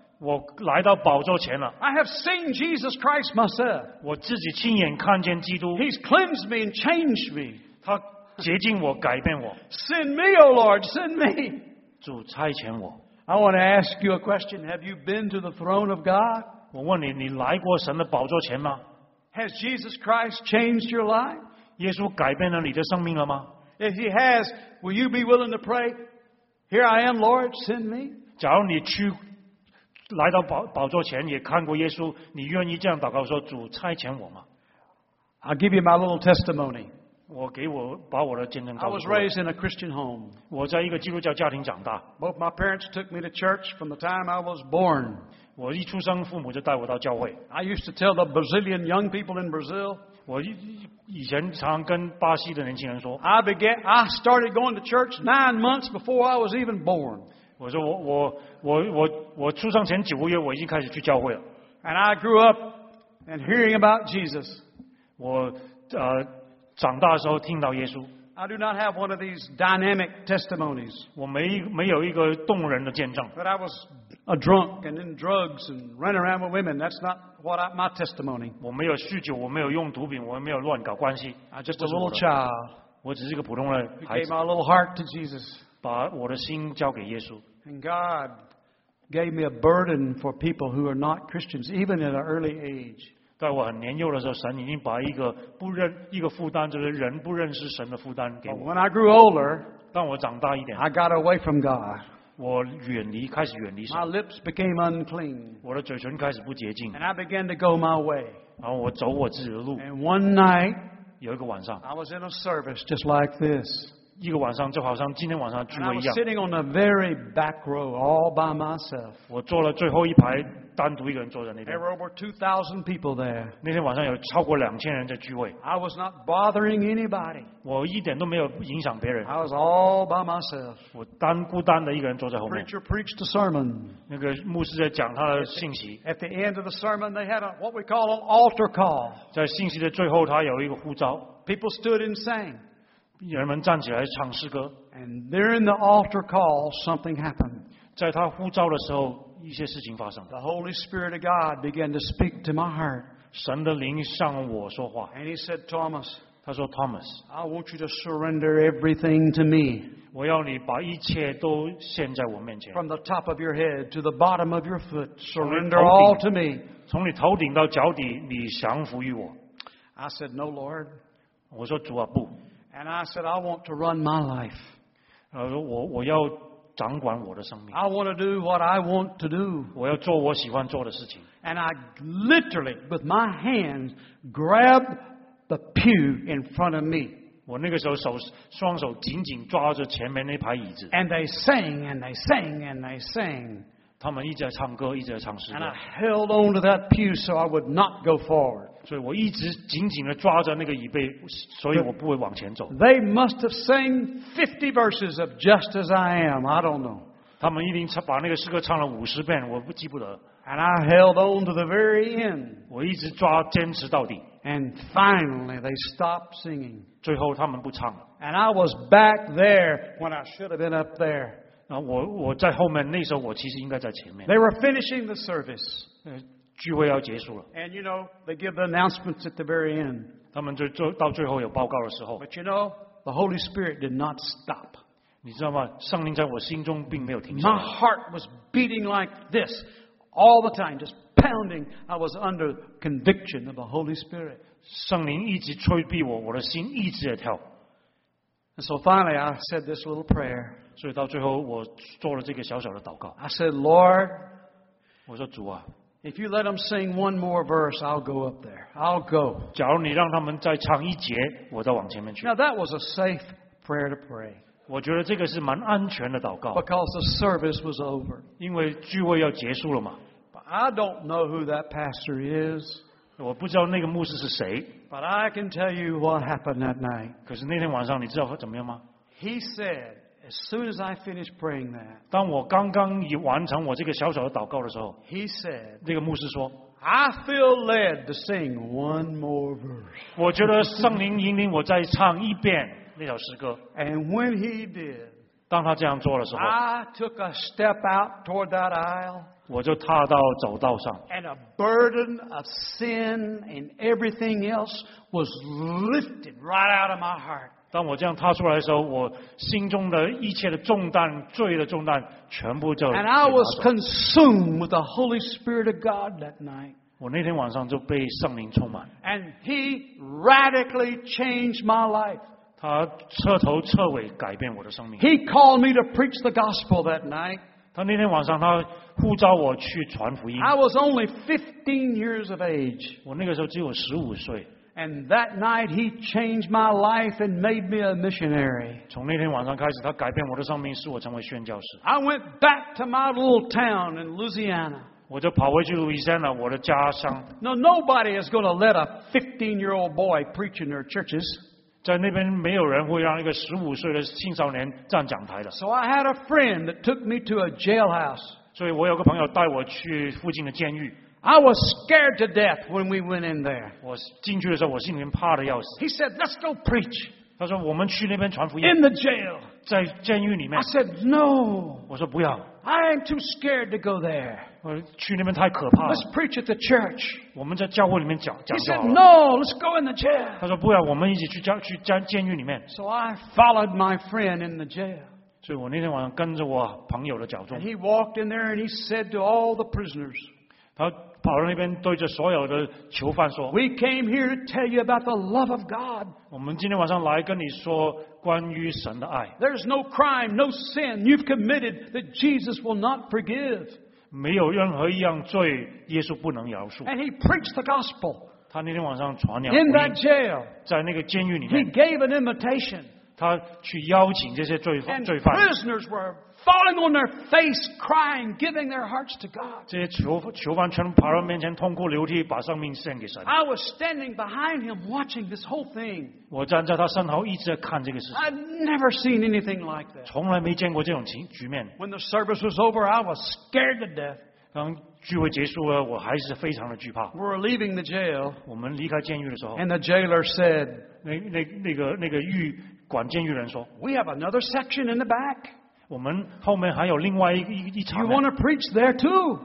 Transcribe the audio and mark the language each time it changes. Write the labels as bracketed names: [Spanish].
[Chinese] 我来到宝座前了。 [English] I have seen Jesus Christ myself. [Chinese] 我自己亲眼看见基督。 [English] He's cleansed me and changed me. [Chinese] 他洁净我，改变我。 [English] Send me, O Lord, send me. [Chinese] 主差遣我。 [English] I want to ask you a question. Have you been to the throne of God? [Chinese] 我问你，你来过神的宝座前吗？ [English] Has Jesus Christ changed your life? [Chinese] 耶稣改变了你的生命了吗？ [English] If he has, will you be willing to pray? Here I am, Lord, send me. [Chinese] 假如你去来到 宝座前也看过耶稣，你愿意这样祷告说，主差遣我吗？ [English] I'll give you my little testimony. [Chinese] 我给我把我的见证告诉我。 [English] I was raised in a Christian home. [Chinese] 我在一个基督教家庭长大。 [English] Both my parents took me to church from the time I was born. [Chinese] 我一出生父母就带我到教会。 [English] I used to tell the Brazilian young people in Brazil. [Chinese] 我以前常跟巴西的年轻人说。 [English] I started going to church 9 months before I was even born. [Chinese] 我说我出生前九个月我已经开始去教会了。 [English] And I grew up and hearing about Jesus. [Chinese] 我长大的时候听到耶稣。 [English] I do not have one of these dynamic testimonies. [Chinese] 我没有一个动人的见证。 [English] But I was a drunk and in drugs and running around with women. That's not my testimony. [Chinese] 我没有酗酒，我没有用毒品，我没有乱搞关系。 [English] I'm just a little child. [Chinese] 我只是一个普通的孩子。 [English] Gave my little heart to Jesus. [Chinese] 把我的心交给耶稣。 [English] And God gave me a burden for people who are not Christians, even at an early age. [Chinese] 在我很年幼的时候，神已经把一个负担，就是人不认识神的负担给我。 [English] When I grew older, [Chinese] 当我长大一点 [English] ，I got away from God. [Chinese] 我远离，开始远离神。 [English] My lips became unclean. [Chinese] 我的嘴唇开始不洁净。 [English] And I began to go my way. [Chinese] 然后我走我自己的路。 [English] And one night, [Chinese] 有一个晚上 [English] ，I was in a service just like this. [Chinese] 一个晚上就好像今天晚上聚会一样。 [English] I was sitting on the very back row all by myself. [Chinese] 我坐了最后一排。单独一个人坐在那边。 [English] There were over 2,000 people there. [Chinese] 那天晚上有超过2000人在聚会。 [English] I was not bothering anybody. [Chinese] 我一点都没有影响别人。 [English] I was all by myself. [Chinese] 我单孤单的一个人坐在后面。 [English] Preacher preached a sermon. [Chinese] 那个牧师在讲他的信息。 [English] At the end of the sermon, they had what we call an altar call. [Chinese] 在信息的最后，他有一个呼召。 [English] People stood and sang. [Chinese] 人们站起来唱诗歌。 [English] And during the altar call, something happened. [Chinese] 在他呼召的时候。一些事情发生。 [English] The Holy Spirit of God began to speak to my heart. [Chinese] 神的灵向我说话。 [English] And he said, Thomas, [Chinese] 他说 Thomas, [English] I want you to surrender everything to me. [Chinese] 我要你把一切都献在我面前。 [English] From the top of your head to the bottom of your foot, surrender all to me. [Chinese] 从你头顶到脚底，你降服于我。 [English] I said, No, Lord. [Chinese] 我说主啊，不。 [English] And I said, I want to run my life. [Chinese] 我要掌管我的生命。 [English] I want to do what I want to do. [Chinese] 我要做我喜欢做的事情。 [English] And I literally, with my hands, grabbed the pew in front of me. [Chinese] 我那个时候双手紧紧抓着前面那排椅子。 [English] And they sang, and they sang, and they sang. [Chinese] 他们一直在唱歌，一直在唱诗歌。 [English] And I held on to that pew so I would not go forward. [Chinese] 所以我一直紧紧地抓着那个椅背，所以我不会往前走。 [English] They must have sang 50 verses of Just As I Am, I don't know. [Chinese] 他们一定把那个诗歌唱了50遍，我不记不得。 [English] And I held on to the very end. [Chinese] 我一直抓，坚持到底。 [English] And finally they stopped singing. [Chinese] 最后他们不唱了。 [English] And I was back there when I should have been up there. [Chinese] 然后我在后面，那时候我其实应该在前面。 [English] They were finishing the service. [Chinese] 聚会要结束了。 [English] And you know, they give the announcements at the very end. [Chinese] 他们就到最后有报告的时候。 [English] But you know, the Holy Spirit did not stop. [Chinese] 你知道吗？圣灵在我心中并没有停下来。 [English] My heart was beating like this all the time, just pounding. I was under conviction of the Holy Spirit. [Chinese] 圣灵一直催逼我，我的心一直在跳。 [English] And so finally, I said this little prayer. [Chinese] 所以到最后，我做了这个小小的祷告。 [English] I said, Lord. [Chinese] 我说主啊。 [English] If you let them sing one more verse, I'll go up there. I'll go. [Chinese] 假如你让他们再唱一节，我再往前面去。 [English] Now that was a safe prayer to pray. [Chinese] 我觉得这个是蛮安全的祷告。 [English] Because the service was over. [Chinese] 因为聚会要结束了嘛。 [English] But I don't know who that pastor is. [Chinese] 我不知道那个牧师是谁。 [English] But I can tell you what happened that night. [Chinese] 可是那天晚上你知道怎么样吗？ [English] He said, as soon as I finished praying that, [Chinese] 当我刚刚完成我这个小小的祷告的时候， [English] He said, [Chinese] 那个牧师说， [English] I feel led to sing one more verse. [Chinese] 我觉得圣灵引领我再唱一遍那首诗歌。 [English] And when he did, [Chinese] 当他这样做的时候， [English] I took a step out toward that aisle. [Chinese] 我就踏到走道上。 [English] And a burden of sin and everything else was lifted right out of my heart. [Chinese] 当我这样踏出来的时候，我心中的一切的重担、罪的重担，全部就。 [English] And I was consumed with the Holy Spirit of God that night. [Chinese] 我那天晚上就被圣灵充满。 [English] And He radically changed my life. [Chinese] 他彻头彻尾改变我的生命。 [English] He called me to preach the gospel that night. [Chinese] 他那天晚上他呼召我去传福音。 [English] I was only 15 years of age. [Chinese] 我那个时候只有15岁。 [English] And that night he changed my life and made me a missionary. [Chinese] 从那天晚上开始，他改变我的生命，使我成为宣教士。 [English] I went back to my little town in Louisiana. [Chinese] 我就跑回去路易斯安那，我的家乡。 [English] No, nobody is going to let a 15-year-old boy preach in their churches. [Chinese] 在那边没有人会让一个15岁的青少年站讲台的。 [English] So I had a friend that took me to a jailhouse. [Chinese] 所以我有个朋友带我去附近的监狱。 [English] I was scared to death when we went in there. [Chinese] 我进去的时候，我心里面怕的要死。 [English] He said, "Let's go preach." [Chinese] 他说我们去那边传福音。 [English] In the jail. [Chinese] 在监狱里面。 [English] I said, "No." [Chinese] 我说不要。 [English] I am too scared to go there. [Chinese] 我去那边太可怕了。 [English] Let's preach at the church. [Chinese] 我们在教会里面讲讲就好了。 [English] He said, "No, let's go in the jail." [Chinese] 他说不要，我们一起去监狱里面。 [English] So I followed my friend in the jail. [Chinese] 所以我那天晚上跟着我朋友的脚踪。 [English] And he walked in there and he said to all the prisoners. [Chinese] 他跑到那边对着所有的囚犯说 [English] We came here to tell you about the love of God. [Chinese] 我们今天晚上来跟你说关于神的爱。 [English] There's no crime, no sin you've committed that Jesus will not forgive. [Chinese] 没有任何一样罪耶稣不能饶恕。 [English] And he preached the gospel. [Chinese] 他那天晚上传扬 [English] In that jail. [Chinese] 在那个监狱里面。 [English] He gave an invitation. [Chinese] 他去邀请这些罪犯。 [English] And prisoners were falling on their face, crying, giving their hearts to God. [Chinese] 这些囚犯全跑到面前痛哭流涕，把生命献给神。 [English] I was standing behind him, watching this whole thing. [Chinese] 我站在他身后，一直在看这个事情。 [English] I'd never seen anything like that. [Chinese] 从来没见过这种局面。 [English] When the service was over, I was scared to death. [Chinese] 当聚会结束了，我还是非常的惧怕。 [English] We're leaving the jail. [Chinese] 我们离开监狱的时候。 [English] And the jailer said, [Chinese] 那个狱管监狱人说 [English] ，We have another section in the back. [Chinese] 我们后面还有另外一场。 [English] You want to preach there too?